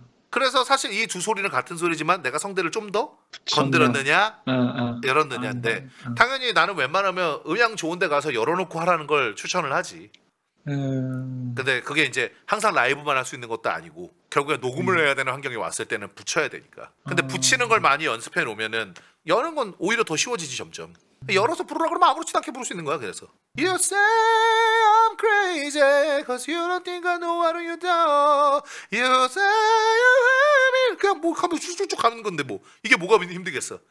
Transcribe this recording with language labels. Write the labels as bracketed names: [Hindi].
[Korean] 그래서 사실 이 두 소리는 같은 소리지만 내가 성대를 좀 더 건드렸느냐 열었느냐인데 당연히 나는 웬만하면 음향 좋은 데 가서 열어놓고 하라는 걸 추천을 하지. 근데 그게 이제 항상 라이브만 할 수 있는 것도 아니고 결국에 녹음을 해야 되는 환경에 왔을 때는 붙여야 되니까. 근데 붙이는 걸 많이 연습해 놓으면은 여는 건 오히려 더 쉬워지지 점점. 열어서 부르라 그러면 아무렇지 않게 부를 수 있는 거야. [English] 그래서 You say I'm crazy cause you don't think I know what you do. You say you have me. [Korean] 그냥 뭐 가면 쭉쭉쭉 가는 건데 뭐 이게 뭐가 힘들겠어.